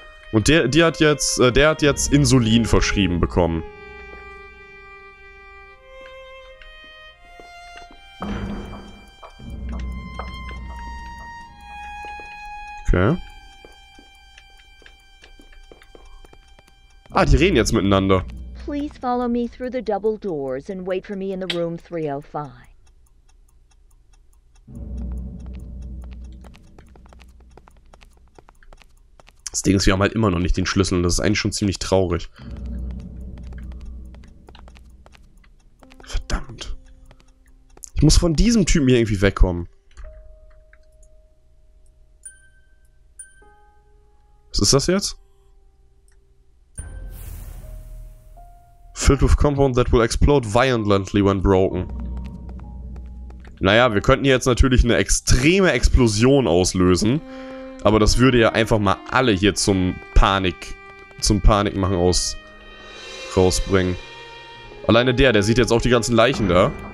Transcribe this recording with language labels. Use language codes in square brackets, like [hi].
[de] Und der hat jetzt Insulin verschrieben bekommen. Okay. Ah, die reden jetzt miteinander. [en] Please follow me through the double doors and wait for me in the room 305. [de] Das Ding ist, wir haben halt immer noch nicht den Schlüssel und das ist eigentlich schon ziemlich traurig. Verdammt. Ich muss von diesem Typen hier irgendwie wegkommen. Was ist das jetzt? [en] Filled with compound that will explode violently when broken. [de] Naja, wir könnten jetzt natürlich eine extreme Explosion auslösen. Aber das würde ja einfach mal alle hier zum Panikmachen rausbringen. Alleine der sieht jetzt auch die ganzen Leichen da.